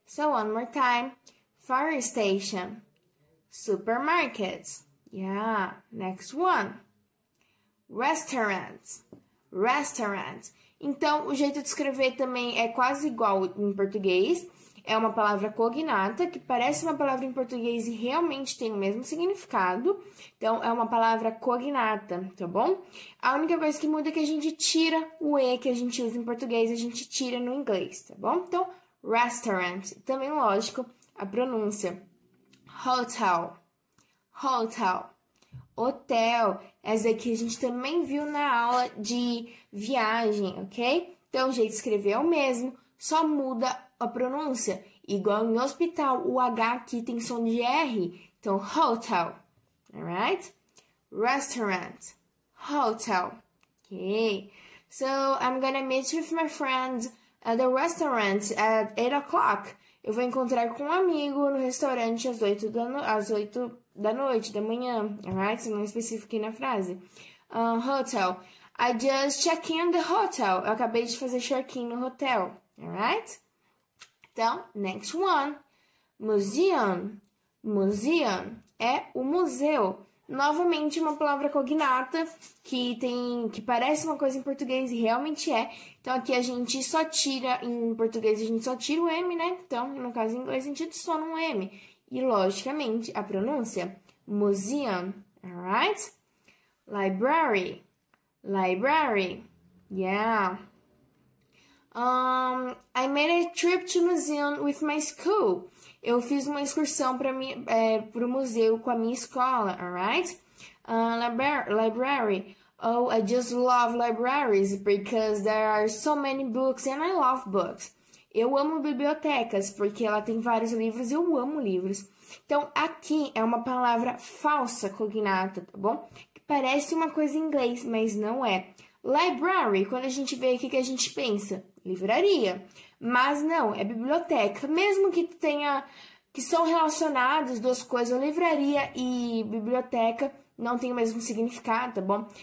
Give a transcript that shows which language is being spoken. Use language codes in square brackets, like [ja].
[en] So, one more time. Fire station, supermarket. Yeah, next one. Restaurant. Restaurant. [pt] Então, o jeito de escrever também é quase igual em português. É uma palavra cognata, que parece uma palavra em português e realmente tem o mesmo significado. Então, é uma palavra cognata, tá bom? A única coisa que muda é que a gente tira o E que a gente usa em português, a gente tira no inglês, tá bom? Então, restaurant. Também, lógico, a pronúncia. Hotel. Hotel, hotel, essa aqui a gente também viu na aula de viagem, ok? Então, o jeito de escrever é o mesmo, só muda a pronúncia. Igual em hospital, o H aqui tem som de R, então, hotel, alright? [en] Restaurant, hotel, ok? So, I'm gonna meet with my friend at the restaurant at 8 o'clock. [pt] Eu vou encontrar com um amigo no restaurante às 8 da noite. Da noite, da manhã, alright? Se não especifiquei na frase. [en] Hotel. I just check-in the hotel. [pt] Eu acabei de fazer check-in no hotel, alright? Então, [en] next one. Museum. [pt] Museum é o museu. Novamente, uma palavra cognata que parece uma coisa em português e realmente é. Então, aqui a gente só tira, em português a gente só tira o M, né? Então, no caso em inglês, a gente adiciona um M. E, logicamente, a pronúncia, museum, alright? [en] Library, library, yeah. I made a trip to museum with my school. [pt] Eu fiz uma excursão para o museu com a minha escola, alright? [en] Library, oh, I just love libraries because there are so many books and I love books. [pt] Eu amo bibliotecas, porque ela tem vários livros e eu amo livros. Então, aqui é uma palavra falsa, cognata, tá bom? Que parece uma coisa em inglês, mas não é. Library, quando a gente vê, o que a gente pensa? Livraria. Mas não, é biblioteca. Mesmo que tenha, que são relacionados duas coisas, livraria e biblioteca, não tem o mesmo significado, tá bom?